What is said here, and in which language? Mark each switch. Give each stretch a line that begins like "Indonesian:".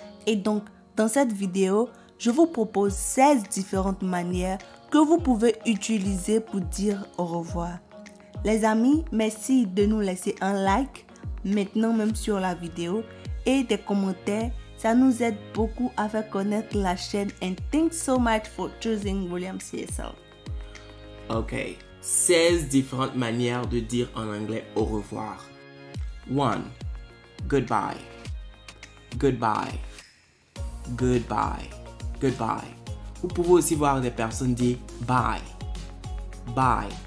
French: Et donc, dans cette vidéo, je vous propose 16 différentes manières que vous pouvez utiliser pour dire au revoir. Les amis, merci de nous laisser un like, maintenant même sur la vidéo, et des commentaires. Ça nous aide beaucoup à faire connaître la chaîne.
English: And thanks so much for choosing Williams ESL.
French: Ok, 16 différentes manières de dire en anglais au revoir.
English: 1. Goodbye. Goodbye. Goodbye. Goodbye.
French: Vous pouvez aussi voir des personnes dire bye. Bye.